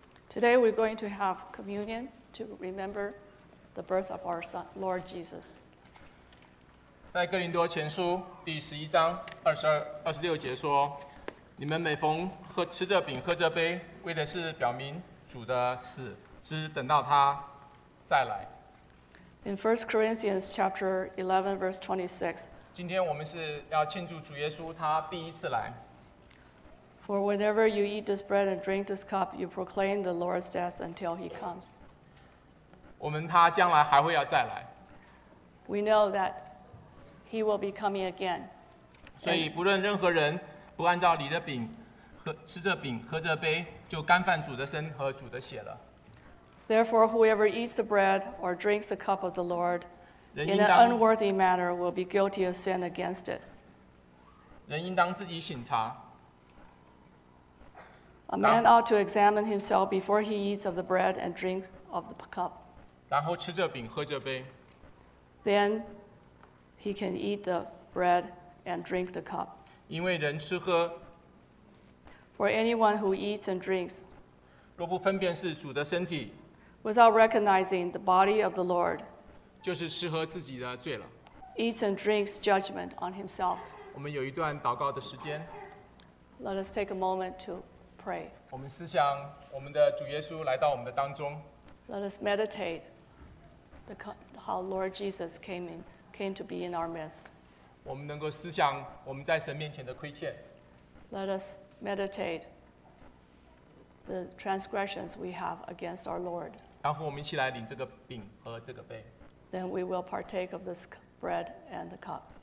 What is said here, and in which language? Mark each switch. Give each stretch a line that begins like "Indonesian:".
English: Today we're going to have communion to remember the birth of our son, Lord Jesus.
Chinese: 在哥林多前书第十一章二十二、二十六节说，你们每逢喝吃这饼、喝这杯，为的是表明主的死，只等到他再来。
English: In 1 Corinthians chapter 11, verse 26.
Chinese: 今天我们是要庆祝主耶稣他第一次来。
English: For whenever you eat this bread and drink this cup, you proclaim the Lord's death until he comes.
Chinese: 我们他将来还会要再来。
English: We know that he will be coming again.
Chinese: 所以不论任何人不按照你的饼吃这饼喝这杯，就干犯主的身和主的血了。
English: Therefore, whoever eats the bread or drinks the cup of the Lord in an unworthy manner will be guilty of sin against it.
Chinese: 人应当自己省察。
English: A man ought to examine himself before he eats of the bread and drinks of the cup.
Chinese: 然后吃这饼喝这杯。
English: Then he can eat the bread and drink the cup.
Chinese: 因为人吃喝。
English: For anyone who eats and drinks,
Chinese: 若不分辨是主的身体，
English: without recognizing the body of the Lord,
Chinese: 就是吃喝自己的罪了。
English: Eats and drinks judgment on himself.
Chinese: 我们有一段祷告的时间。
English: Let us take a moment to pray.
Chinese: 我们思想我们的主耶稣来到我们的当中。
English: Let us meditate how Lord Jesus came to be in our midst.
Chinese: 我们能够思想我们在神面前的亏欠。
English: Let us meditate the transgressions we have against our Lord.
Chinese: 然后我们一起来领这个饼和这个杯。
English: Then we will partake of this bread and the cup.